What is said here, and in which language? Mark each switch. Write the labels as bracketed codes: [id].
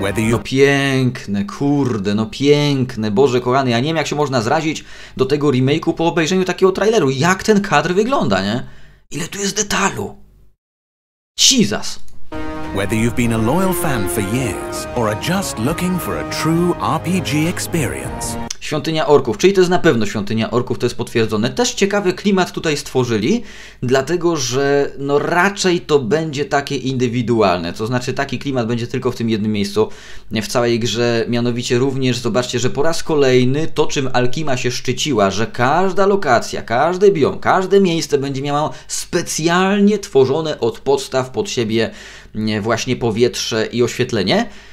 [pl] No piękne, kurde, no piękne, Boże kochany, ja nie wiem, jak się można zrazić do tego remake'u po obejrzeniu takiego traileru. Jak ten kadr wygląda, nie? Ile tu jest detalu? Jesus! [en] Whether you've been a loyal fan for years, or are just looking for a true RPG experience. [pl] Świątynia Orków, czyli to jest na pewno Świątynia Orków, to jest potwierdzone. Też ciekawy klimat tutaj stworzyli, dlatego że no raczej to będzie takie indywidualne, to znaczy taki klimat będzie tylko w tym jednym miejscu w całej grze, mianowicie również zobaczcie, że po raz kolejny to, czym Alkima się szczyciła, że każda lokacja, każdy biom, każde miejsce będzie miało specjalnie tworzone od podstaw pod siebie właśnie powietrze i oświetlenie.